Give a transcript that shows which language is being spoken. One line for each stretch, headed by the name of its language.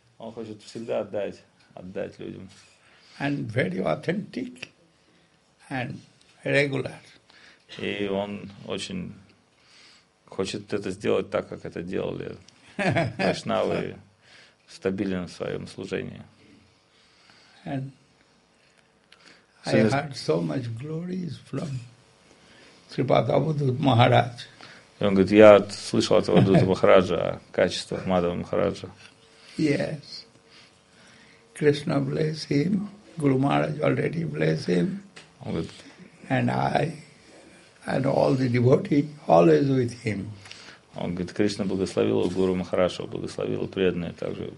Russian: Он хочет всегда отдать людям.
English: And very authentic. And regular.
Russian: И он очень хочет это сделать так, как это делали Вайшнавы, стабилен в своем служении.
English: And I heard so much glories from Srimad Avadhut Maharaj.
Russian: И он говорит, я слышал от Авадхута Махараджа о качествах Мадхава Махараджа.
English: Yes. Krishna bless him. Guru Maharaj already bless him. And I and all the devotees always with him.
Russian: Он говорит, Кришна благословил Гуру Махараджа, благословил преданные также его